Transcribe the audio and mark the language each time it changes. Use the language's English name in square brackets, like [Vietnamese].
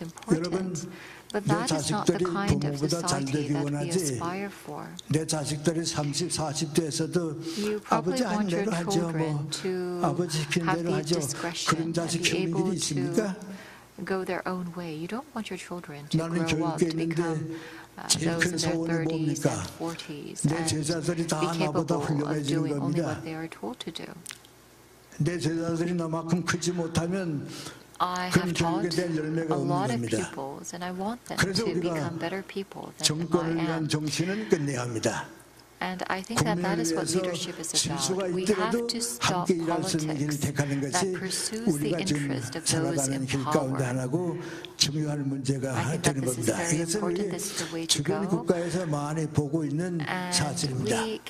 [Korean] 여러분 내 자식들이 부모보다 잘 되기 원하지 내 자식들이 30, 40대에서도 아버지 한 대로 하죠 뭐 아버지 시키는 대로 하죠 그런 자식 키우는 길이 있습니까? 나는 교육계에 있는데 제일 큰 소원은 뭡니까? 내 제자들이 다 나보다 훌륭해지는 겁니다. 내 제자들이 나만큼 크지 못하면 [English] I have taught a lot of pupils, and I want them to become better people than I am. [Korean] 위한 정신은 끝내야 합니다. [English] And I think that that is what leadership is about. We have to stop politics that pursues the interest of those in power. [Korean] 중요한 문제가 되는 겁니다. 이것은 우리 주변 국가에서 많이 보고 있는 사실입니다.